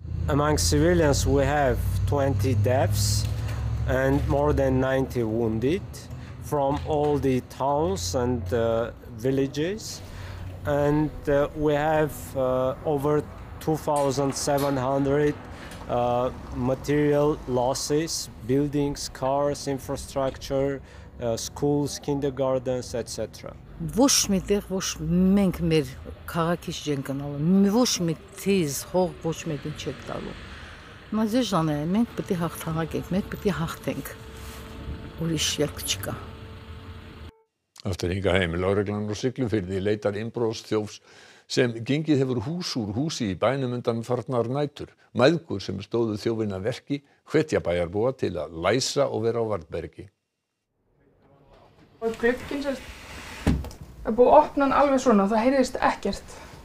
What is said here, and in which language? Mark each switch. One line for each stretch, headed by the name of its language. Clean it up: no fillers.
English: Among civilians we have 20 deaths and more than 90 wounded from all the towns and villages and we have over 2700 material losses, buildings, cars, infrastructure, schools, kindergartens, etc.
Armenian: Ոչ մի տեղ, ոչ մենք մեր քաղաքից չենք գնալու, ոչ մի տեղ, հող, ոչ մի տեղ չենք տալու. Մազի ժանը, մենք պետք է հաղթանակենք, մենք պետք է հաղթենք, ուրիշ երկ չկա.
Icelandic: Eftir hingað heim, lögreglan og Siglufirði leitar innbrotsþjófs sem gengið hefur hús úr húsi í bænum undan farnar nætur. Mæðgur sem stóðu þjófinna verki, hvetja bæjarbúa til að læsa og vera á varðbergi. Og glugginn sem er búið að opna hann alveg svona, það heyrðist ekkert.